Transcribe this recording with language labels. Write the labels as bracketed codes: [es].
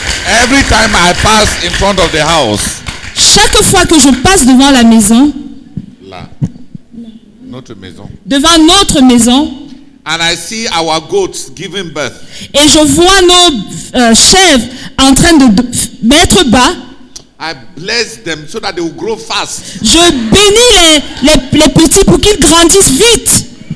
[en] Every time I pass in front of the house. [fr] Chaque fois que je passe devant la maison. Là. Notre maison. Devant notre maison. [en] And I see our goats giving birth. [fr] Et je vois nos chèvres en train de mettre bas. [en] I bless them so that they will grow fast. [fr] Je bénis les petits pour qu'ils grandissent vite.